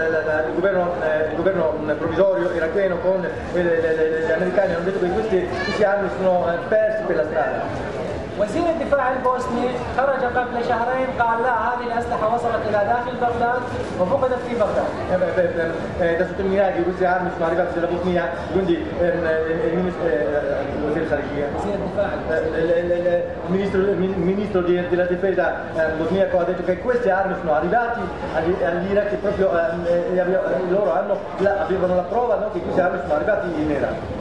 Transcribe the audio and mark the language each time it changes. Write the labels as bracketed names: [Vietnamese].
[Italian] Il governo provvisorio iracheno con gli americani hanno detto che questi armi sono persi per la strada. [Arabic] وزير الدفاع البوسني خرج قبل شهرين قال لا هذه الأسلحة وصلت إلى داخل بغداد وفقدت في بغداد. [Italian] Da sottolineare che queste armi sono arrivate dalla Bosnia, quindi il ministro della difesa bosniaco ha detto che queste armi sono arrivate all'Iraq e proprio loro avevano la prova che queste armi sono arrivate in Iraq.